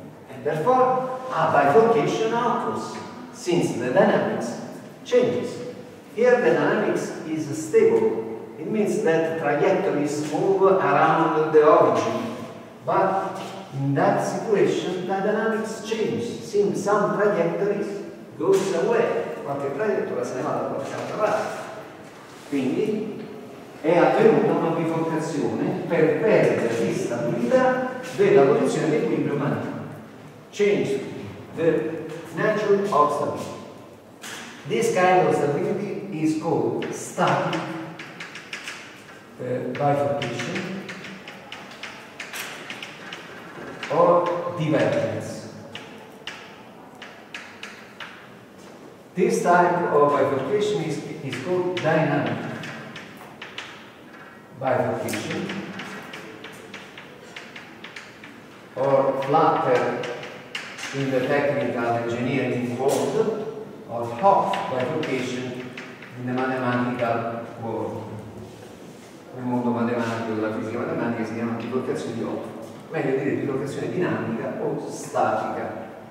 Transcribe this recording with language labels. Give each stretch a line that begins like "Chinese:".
English: And therefore, a bifurcation occurs, since the dynamics changes. Here the dynamics is stable. It means that trajectories move around the origin. But in that situation, the dynamics change, since some trajectories go away.
Italian: Qualche trajectoria se ne va da qualche altra parte. Quindi è avvenuta una bifurcazione per perdere di stabilità della posizione di equilibrio magnetico.
English: Change the nature of stability. This kind of stability is called static bifurcation or divergence. This type of bifurcation is called dynamic bifurcation or flatter in the technical engineering world, or Hopf bifurcation in the mathematical world.
Italian: Nel mondo matematico della fisica matematica si chiama bifurcazione di Hopf, meglio dire bifurcazione dinamica o statica.